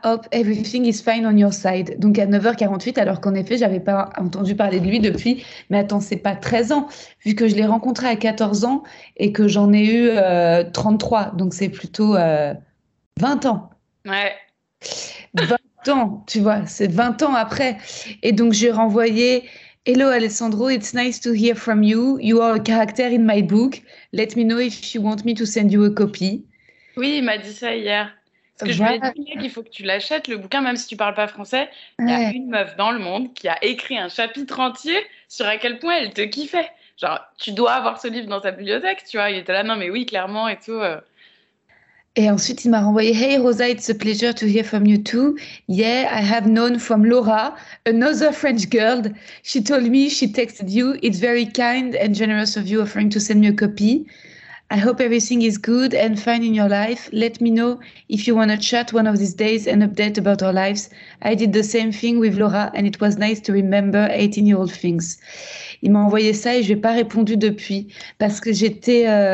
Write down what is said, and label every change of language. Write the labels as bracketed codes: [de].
[en] Hope everything is fine on your side. [fr] » Donc à 9h48, alors qu'en effet, je n'avais pas entendu parler de lui depuis. Mais attends, ce n'est pas 13 ans, vu que je l'ai rencontré à 14 ans et que j'en ai eu 33. Donc c'est plutôt 20 ans. Ouais. 20 ans, tu vois, c'est 20 ans après. Et donc j'ai renvoyé... [en] Hello Alessandro, it's nice to hear from you. You are a character in my book. Let me know if you want me to send you a copy. [fr] Oui, il m'a dit ça hier. Parce que je lui ai dit qu'il faut que tu l'achètes, le bouquin, même si tu ne parles pas français. Ouais. Il y a une meuf dans le monde qui a écrit un chapitre entier sur à quel point elle te kiffait. Genre, tu dois avoir ce livre dans ta bibliothèque, tu vois. Il était là, non mais oui, clairement et tout. Et ensuite, il m'a renvoyé « [en] Hey Rosa, it's a pleasure to hear from you too. Yeah, I have known from Laura, another French girl. She told me she texted you. It's very kind and generous of you offering to send me a copy. I hope everything is good and fine in your life. Let me know if you want to chat one of these days and update about our lives. I did the same thing with Laura and it was nice to remember 18-year-old things. » [fr] Il m'a envoyé ça et je n'ai pas répondu depuis parce que j'étais...